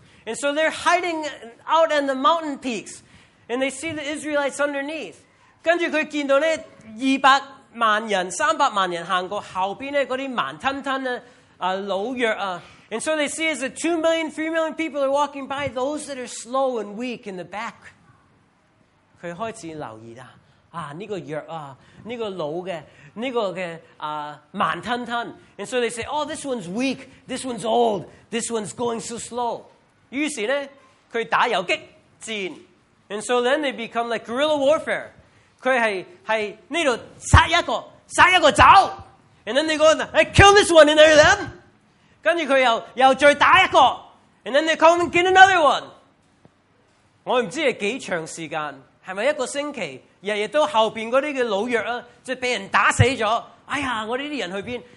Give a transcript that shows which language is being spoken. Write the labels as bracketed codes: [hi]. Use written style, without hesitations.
[en] and so they're hiding out on the mountain peaks, and they see the Israelites underneath. [yue] 跟住佢見到呢200萬人、300萬人行過後邊呢嗰啲慢吞吞啊、老弱啊， [en] and so they see as the 2 million, 3 million people are walking by, those that are slow and weak in the back. [yue] 佢開始留意啦，啊呢、这個弱啊，呢、这個老嘅。慢吞吞 [en] And so they say, oh, this one's weak, this one's old, this one's going so slow. [yue] 於是呢,佢打游击战 [en] And so then they become like guerrilla warfare. [yue] 佢係呢度殺一個,殺一個走 [en] And then they go, hey, kill this one and they're them. [yue] 跟住佢又再打一個 [en] And then they come and get another one. [yue] 我唔知係幾長時間 係咪一個星期，日日都後邊嗰啲嘅老弱啊，即係俾人打死咗？哎呀，我呢啲人去邊？